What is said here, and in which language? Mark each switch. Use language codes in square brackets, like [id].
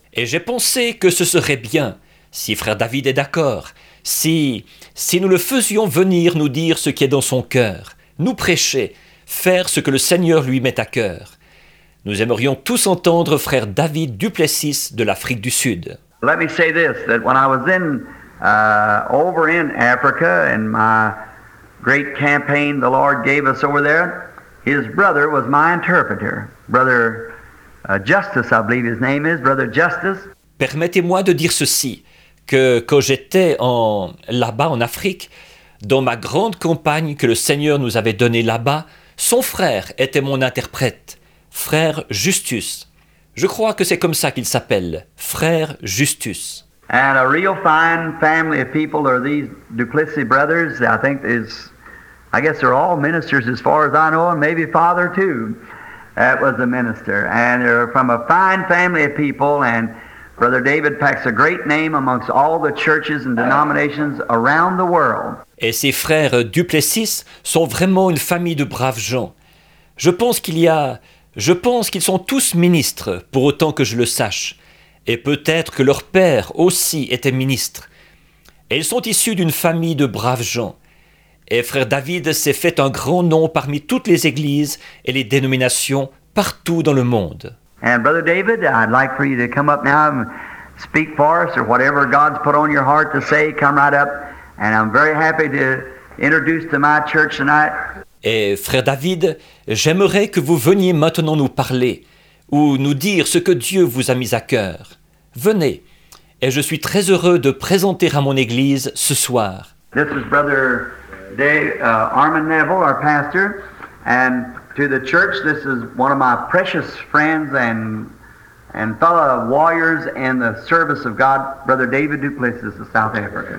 [fr] Et j'ai pensé que ce serait bien si frère David est d'accord, si nous le faisions venir nous dire ce qui est dans son cœur, nous prêcher, faire ce que le Seigneur lui met à cœur. Nous aimerions tous entendre frère David Duplessis de l'Afrique du Sud. [en] Let me say this, that when I was in over in Africa in my great campaign the Lord gave us over there, his brother was my interpreter, brother Justice, I believe his name is, brother Justice. [fr] Permettez-moi de dire ceci, que quand j'étais là-bas en Afrique, dans ma grande campagne que le Seigneur nous avait donnée là-bas, son frère était mon interprète, frère Justus. Je crois que c'est comme ça qu'il s'appelle, frère Justus. [en] And a real fine family of people are these Duplessis brothers. I guess they're all ministers as far as I know, and maybe father too. That was a minister. And they're from a fine family of people, and Brother David packs a great name amongst all the churches and denominations around the world. [fr] Et ses frères Duplessis sont vraiment une famille de braves gens. Je pense qu'ils sont tous ministres, pour autant que je le sache. Et peut-être que leur père aussi était ministre. Et ils sont issus d'une famille de braves gens. Et frère David s'est fait un grand nom parmi toutes les églises et les dénominations partout dans le monde. [en] And Brother David, I'd like for you to come up now and speak for us or whatever God's put on your heart to say, come right up. And I'm very happy to introduce to my church tonight. [fr] Et frère David, j'aimerais que vous veniez maintenant nous parler ou nous dire ce que Dieu vous a mis à cœur. Venez, et je suis très heureux de présenter à mon église ce soir. [en] This is Brother Armin Neville, our pastor, and to the church, this is one of my precious friends and fellow warriors in the service of God, Brother David Duplessis of South Africa.